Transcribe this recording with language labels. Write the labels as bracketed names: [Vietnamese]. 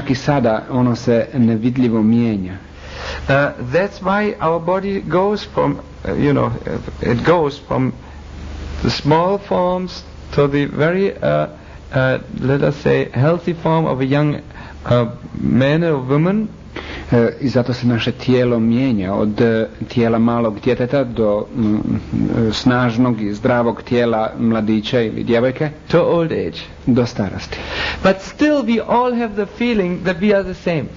[Croatian] Čak i sada ono se nevidljivo mijenja. [English] That's why our body goes from, you know, it goes from the small forms to the very let us say healthy form of a young man or woman. [Croatian] I zato se naše tijelo mijenja od tijela malog djeteta do snažnog i zdravog tijela mladića ili djevojke, [English] to old age, [Croatian] do starosti. [English] But still we all have the feeling that we are the same.